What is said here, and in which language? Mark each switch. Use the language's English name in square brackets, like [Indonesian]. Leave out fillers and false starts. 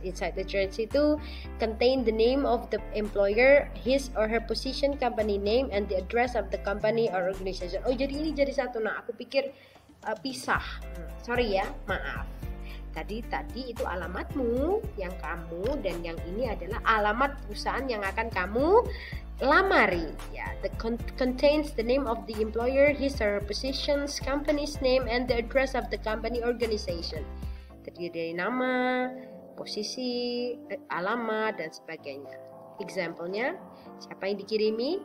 [English] Inside address itu contain the name of the employer, his or her position, company name, and the address of the company or organization. [Indonesian] Oh, jadi ini jadi satu. Nah, aku pikir pisah. Sorry ya, maaf. Tadi itu alamatmu yang kamu, dan yang ini adalah alamat perusahaan yang akan kamu lamari. [English] Ya, the contains the name of the employer, his or her positions, company's name, and the address of the company organization. [Indonesian] Terdiri dari nama, posisi, alamat, dan sebagainya. Example-nya, siapa yang dikirimi?